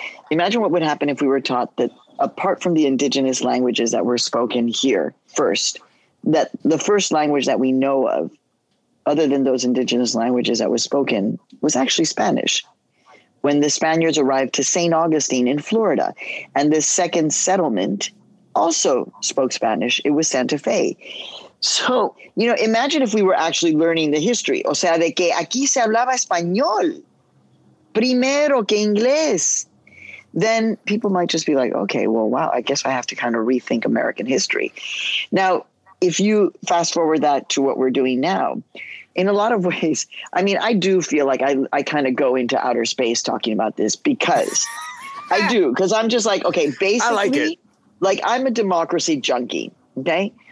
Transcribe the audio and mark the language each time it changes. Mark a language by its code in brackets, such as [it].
[en] Imagine what would happen if we were taught that apart from the indigenous languages that were spoken here first, that the first language that we know of, other than those indigenous languages that was spoken, was actually Spanish. When the Spaniards arrived to St. Augustine in Florida, and this second settlement also spoke Spanish, it was Santa Fe. So, you know, imagine if we were actually learning the history. [es] O sea, de que aquí se hablaba español primero que inglés. [en] Then people might just be like, okay, well, wow, I guess I have to kind of rethink American history. Now, if you fast forward that to what we're doing now, in a lot of ways, I mean, I do feel like I kind of go into outer space talking about this because I do, because I'm just like, okay, basically, like I'm a democracy junkie, okay?